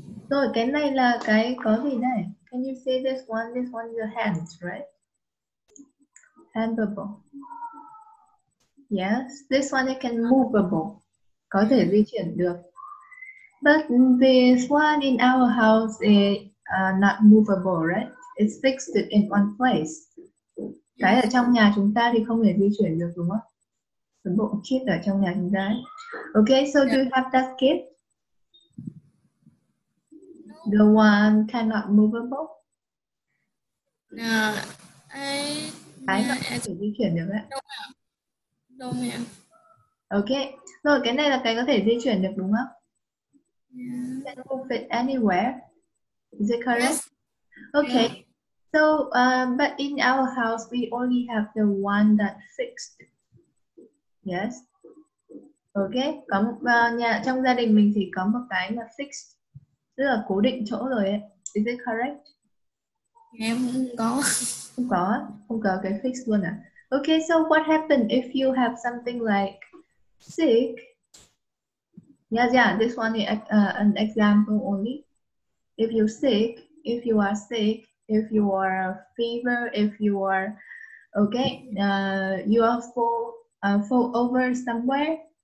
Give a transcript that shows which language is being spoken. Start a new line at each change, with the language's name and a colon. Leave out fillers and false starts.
Vietnamese: Rồi, cái này là cái có gì đây?
English: Can you see this one is your hands, right? Handable. Yes, this one it can movable.
Vietnamese: Có thể di chuyển được.
English: But this one in our house is not movable, right? It's fixed in one place.
Vietnamese: Cái ở
English: Yes.
Vietnamese: trong nhà chúng ta thì không thể di chuyển được đúng không? Cái bộ kit ở trong nhà chúng ta.
English: Okay, so do you have that kit? One cannot movable?
Vietnamese: Cái mà không thể di chuyển được đấy. Okay, rồi cái này là cái có thể di chuyển được đúng không?
English: Can move it anywhere. Is it correct? Okay. So, but in our house, we only have the one that fixed. Yes. Okay.
Vietnamese: Có nhà trong gia đình mình thì có một cái là fixed, tức là cố định chỗ rồi ấy.
English: Is it correct?
Vietnamese: Em không Không có cái fixed luôn à?
English: Okay. So, what happened if you have something like sick? Yeah, this one is an example only. If you're sick, if you are sick, if you are fever, if you are, okay, you are fall over somewhere.